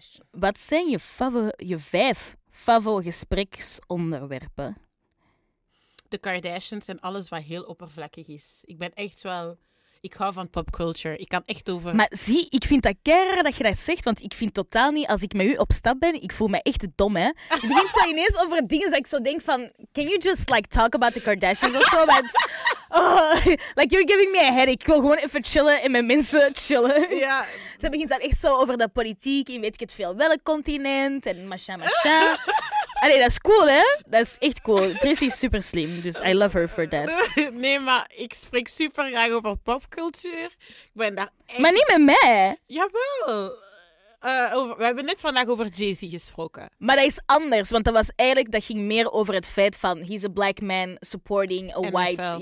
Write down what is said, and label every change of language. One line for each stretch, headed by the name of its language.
Dutch: Wat zijn je vijf favo-gespreksonderwerpen? De Kardashians en alles wat heel oppervlakkig is. Ik ben echt wel... Ik hou van popculture. Ik kan echt over... Maar zie, ik vind dat keirer dat je dat zegt, want ik vind totaal niet, als ik met u op stap ben, ik voel me echt dom, hè. Ik begin zo ineens over dingen dat ik zo denk van...
English: Can you just, like, talk about the Kardashians
Dutch: of zo? Want,
English: like, you're giving me a headache.
Dutch: Ik wil gewoon even chillen en met mensen chillen. Ja. Ze begint dan echt zo over de politiek in weet ik het veel welk continent en macha. Allee, dat is cool, hè? Dat is echt cool. Tracy is super slim, dus
English: I love her for that.
Dutch: Nee, maar ik spreek super graag over popcultuur. Ik ben daar echt... Maar niet met mij. Jawel. We hebben net vandaag over Jay-Z gesproken. Maar dat is anders, want dat was eigenlijk dat ging meer over het feit van
English: he's a black man supporting a
Dutch: NFL.
English: White...